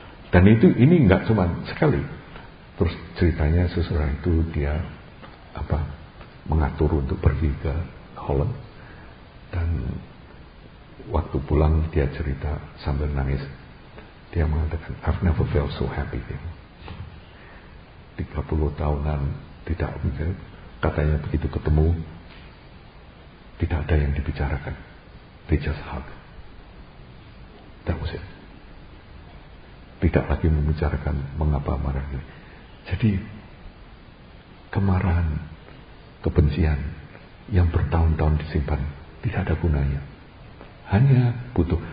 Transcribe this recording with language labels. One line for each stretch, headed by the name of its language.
Indonesian: Dan itu ini enggak cuma sekali. Terus ceritanya seseorang itu dia apa mengatur untuk pergi ke Holland, dan waktu pulang dia cerita sambil nangis. Dia mengatakan,
English: I've never felt so happy.
Indonesian: 30 tahunan tidak mungkin, katanya begitu ketemu tidak ada yang dibicarakan.
English: They just hug. That was it.
Indonesian: Tidak lagi membicarakan mengapa marah. Jadi kemarahan, kebencian yang bertahun-tahun disimpan tidak ada gunanya. Hanya butuh.